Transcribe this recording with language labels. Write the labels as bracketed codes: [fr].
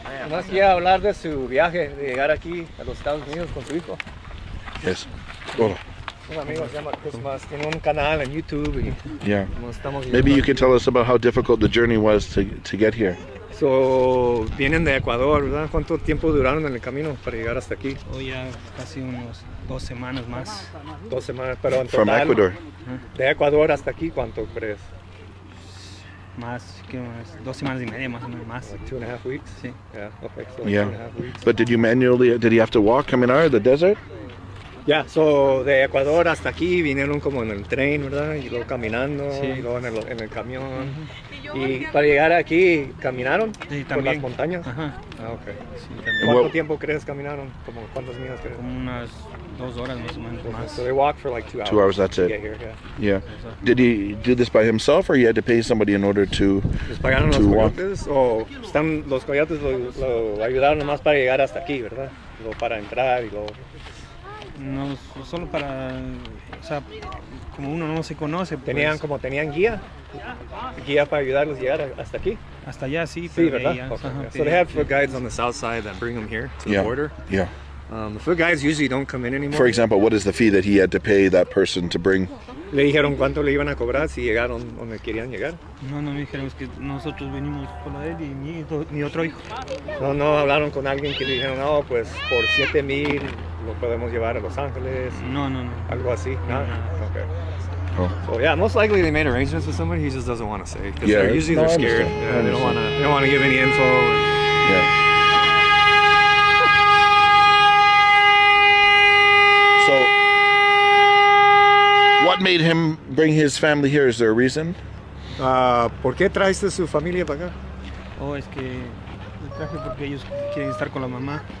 [es] ¿No quería hablar de su viaje de llegar aquí a los Estados Unidos con su hijo? [en] Yes. Hola. Yeah. Maybe you can tell us about how difficult the journey was to get here. [es] So, vienen de Ecuador, ¿verdad? ¿Cuánto tiempo duraron en el camino para llegar hasta aquí? Oh, ya casi unos 2 semanas más. 2 semanas, pero en total. [en] From Ecuador. [es] De Ecuador hasta aquí, ¿cuánto crees? Más, ¿qué más? 2 semanas y media, más o menos más. [en] Like 2.5 weeks? [es] Sí. [en] Yeah, okay, so 2.5 weeks. But did you did you have to walk coming out of the desert? Yeah, so [es] de Ecuador hasta aquí vinieron como en el tren, ¿verdad? Y luego caminando, sí. Y luego en el camión. Uh-huh. Y para llegar aquí, ¿caminaron? Sí, también. ¿Por las montañas? Ajá. Ah, ok. Sí, ¿cuánto tiempo crees caminaron? ¿Como cuántas millas crees? Como unas 2 horas más o menos. Más. [en] So they walked for like 2 hours. 2 hours, that's it. To get here, yeah. Yeah. Did he do this by himself or he had to pay somebody in order to [es] ¿les pagaron to los coyotes? [en] Walk? [es] ¿O están los coyotes lo ayudaron nomás para llegar hasta aquí, ¿verdad? Lo para entrar y luego... No, solo para, o sea, como uno no se conoce, pues. ¿Tenían guía para ayudarlos a llegar hasta aquí? Hasta allá, sí. Sí, ¿verdad? [en] Okay. Uh-huh. So they have foot guides on the south side that bring them here to the border. Yeah. The food guys usually don't come in anymore. For example, what is the fee that he had to pay that person to bring? [es] Le dijeron cuánto le iban a cobrar si llegaron donde querían llegar. No, no, me dijeron que nosotros venimos con él y mi otro hijo. No, no, hablaron con alguien que le dijeron, no, pues por 7,000 lo podemos llevar a Los Ángeles. No, no, no. Algo así, ¿no? No. Okay. [en] Oh. So yeah, most likely they made arrangements with somebody, he just doesn't want to say. Because yeah, usually they're scared. Yeah, they don't want to give any info. Yeah. So, what made him bring his family here? Is there a reason? [es] ¿Por qué traiste su familia para acá? Oh, es que traje porque ellos quieren estar con la mamá.